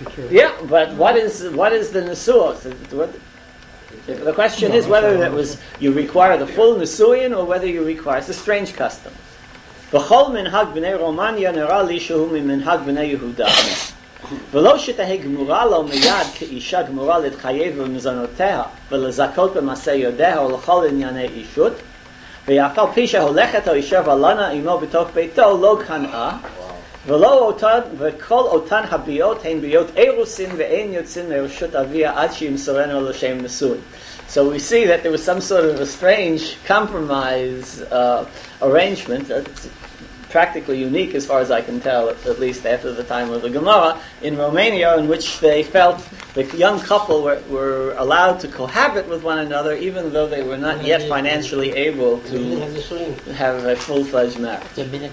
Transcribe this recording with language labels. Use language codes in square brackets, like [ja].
[en] Yeah, but what is the nesuos? The question is whether it was you require the full nesuyin or whether you require. It's a strange custom. [he] בכל מנהג בני רומניה נראה לי שהוא ממנהג בני יהודה. ולא שתהי גמורה לו מיד כאישה גמורה להתחייב במזונותיה ולזכות במעשה יודעה ולכל ענייני אישות, ויפה פי שהולכת או יישב הלנה עמו בתוך ביתו לא קנאה, ולא אותן, וכל אותן הביות הן ביות אירוסין ואין יוצאים מרשות אביה עד שימסורנו לשם נשואין. [en] So we see that there was some sort of a strange compromise arrangement, that's practically unique as far as I can tell, at least after the time of the Gemara, in Romania, in which they felt the young couple were allowed to cohabit with one another, even though they were not yet financially able to have a full-fledged marriage.